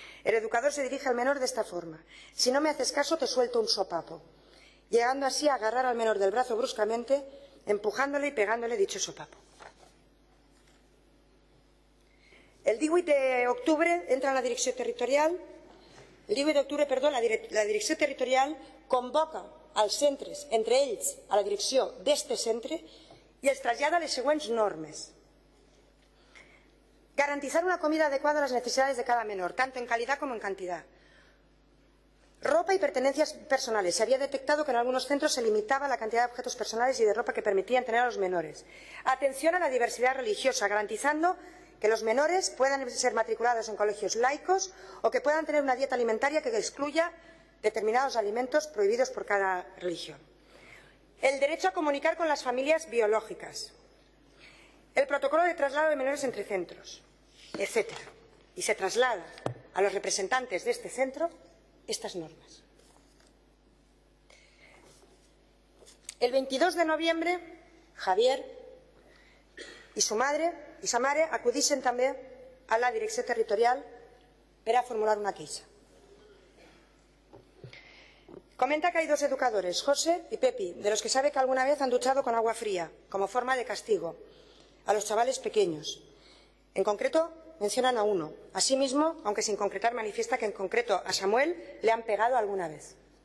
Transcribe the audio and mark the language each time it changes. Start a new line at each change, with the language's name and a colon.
Spanish: El educador se dirige al menor de esta forma: si no me haces caso, te suelto un sopapo, llegando así a agarrar al menor del brazo bruscamente, empujándole y pegándole dicho sopapo. El 18 de octubre entra en la Dirección Territorial. El 18 de octubre, la Dirección Territorial convoca
Catalan: als centres, entre ells a la direcció d'este centre, i els trasllada les següents normes.
Spanish: Garantizar una comida adequada a las necesidades de cada menor, tanto en calidad como en cantidad. Ropa y pertenencias personales. Se había detectado que en algunos centros se limitaba la cantidad de objetos personales y de ropa que permitían tener a los menores. Atención a la diversidad religiosa, garantizando que los menores puedan ser matriculados en colegios laicos o que puedan tener una dieta alimentaria que excluya determinados alimentos prohibidos por cada religión. El derecho a comunicar con las familias biológicas. El protocolo de traslado de menores entre centros, etc. Y se traslada a los representantes de este centro estas normas.
Catalan: El 22 de noviembre, Javier y su madre, Isamare, acudixen també a la Direcció Territorial per a formular una queixa.
Spanish: Comenta que hay dos educadores, José y Pepi, de los que sabe que alguna vez han duchado con agua fría, como forma de castigo, a los chavales pequeños. En concreto, mencionan a uno. Asimismo, aunque sin concretar, manifiesta que en concreto a Samuel le han pegado alguna vez.